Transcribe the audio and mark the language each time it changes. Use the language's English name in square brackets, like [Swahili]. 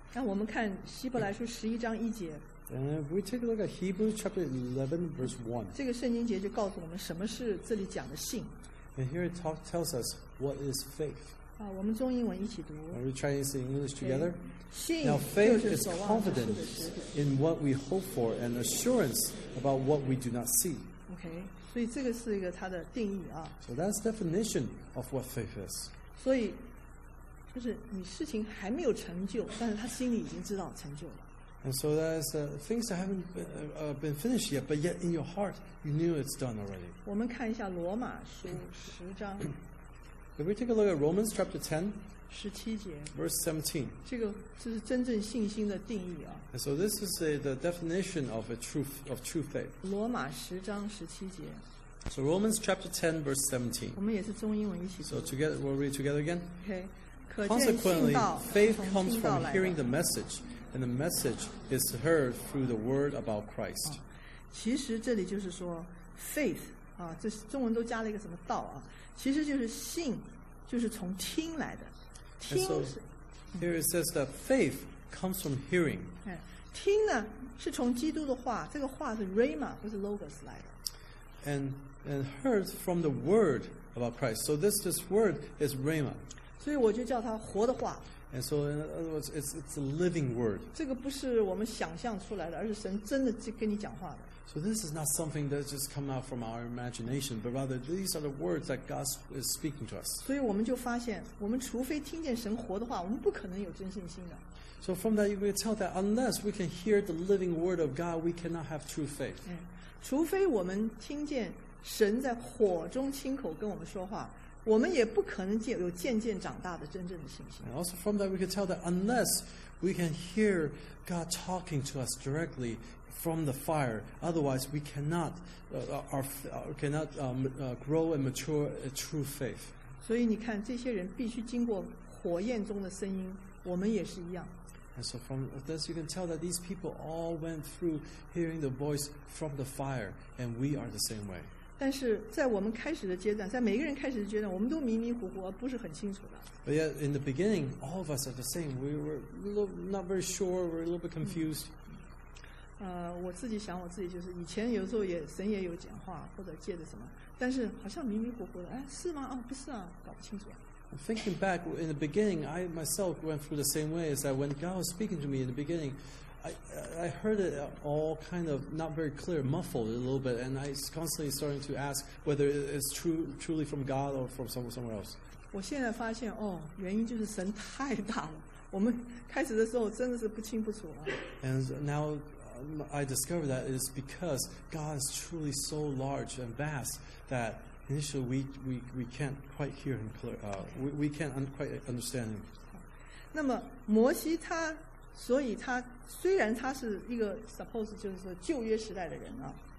[Chinese] 那我们看希伯来书十一章一节。 [English] And if we take a look at Hebrews chapter 11 verse 1. [Chinese] 这个圣经节就告诉我们什么是这里讲的信。 [English] And here it tells us what is faith. [Chinese] 啊，我们中英文一起读。 [English] Are we Chinese and English together? Okay. Now faith is confidence in what we hope for and assurance about what we do not see. [Chinese] Okay, 所以这个是一个它的定义啊。 [English] So that's definition of what faith is. [Chinese] 所以就是你事情还没有成就，但是他心里已经知道成就了。 [English] And so that's things that haven't been finished yet, but yet in your heart, you knew it's done already. [Chinese] 我们看一下罗马书十章。 [English] If we take a look at Romans chapter 10, [Chinese] 17节, [English] verse 17, [Chinese] 这个这是真正信心的定义啊。 [English] And so this is the definition of true faith. [Chinese] 罗马十章十七节。 [English] So Romans chapter 10, verse 17. [Chinese] 我们也是中英文一起读。 [English] So together, we'll read together again. Okay. Consequently, faith comes from hearing the message, and the message is heard through the word about Christ. [Chinese] 其实这里就是说 faith, 啊，这是中文都加了一个什么道啊。其实就是信，就是从听来的。听是。 [English] And so, here it says that faith comes from hearing. [Chinese] 听呢是从基督的话，这个话是 rhema 不是 logos 来的。 [English] And heard from the word about Christ. So this word is rhema. [Chinese] 所以我就叫它活的话。 [English] And so in other words, it's a living word. [Chinese] 这个不是我们想象出来的，而是神真的跟你讲话的。 [English] So this is not something that just come out from our imagination, but rather these are the words that God is speaking to us. [Chinese] 所以我们就发现，我们除非听见神活的话，我们不可能有真信心的。 [English] So from that you can tell that unless we can hear the living word of God, we cannot have true faith. [Chinese] 除非我们听见神在火中亲口跟我们说话，我们也不可能有渐渐长大的真正的信心。 [English] And also from that we can tell that unless we can hear God talking to us directly from the fire, otherwise we cannot grow and mature a true faith. [Chinese] 所以你看，这些人必须经过火焰中的声音，我们也是一样。 [English] And so from this you can tell that these people all went through hearing the voice from the fire, and we are the same way. [Chinese] 但是在我们开始的阶段，在每个人开始的阶段，我们都迷迷糊糊，不是很清楚的。 [English] But yet in the beginning, all of us are the same. We were not very sure. We're a little bit confused. [Chinese] 我自己想我自己就是以前有时候也神也有讲话或者借着什么，但是好像迷迷糊糊的，哎，是吗？哦，不是啊，搞不清楚。 [English] Thinking back in the beginning, I myself went through the same way. Is that when God was speaking to me in the beginning, I heard it all kind of not very clear, muffled a little bit, and I was constantly starting to ask whether it's truly from God or from somewhere else. [Chinese] 我现在发现哦，原因就是神太大了。我们开始的时候真的是不清不楚啊。 [English] And now. I discovered that it is because God is truly so large and vast that initially we can't quite hear Him clear. We can't quite understand Him. [Chinese] 那么摩西他，所以他虽然他是一个 suppose 就是说旧约时代的人啊。